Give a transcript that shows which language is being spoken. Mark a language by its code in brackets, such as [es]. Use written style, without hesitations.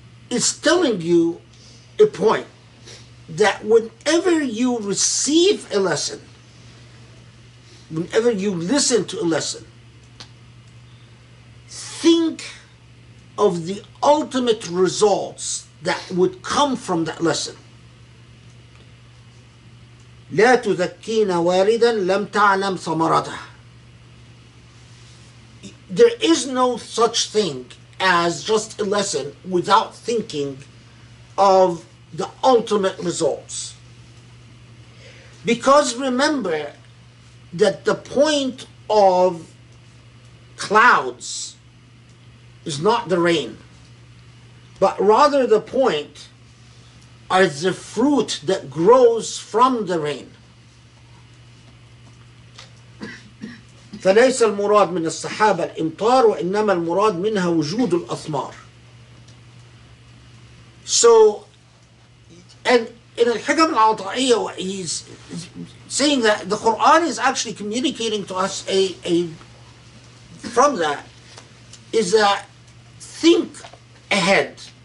[en] It's telling you a point that whenever you receive a lesson, whenever you listen to a lesson, think of the ultimate results that would come from that lesson. [ar] لا تذكين واردا لم تعلم ثمرته. [en] There is no such thing as just a lesson without thinking of the ultimate results. Because remember that the point of clouds is not the rain, but rather the point are the fruit that grows from the rain. [ar] فليس المراد من السحابة الإمطار وإنما المراد منها وجود الأثمار. [en] So, and in الحكم العطائية, he's saying that the Quran is actually communicating to us a from that, is that think ahead.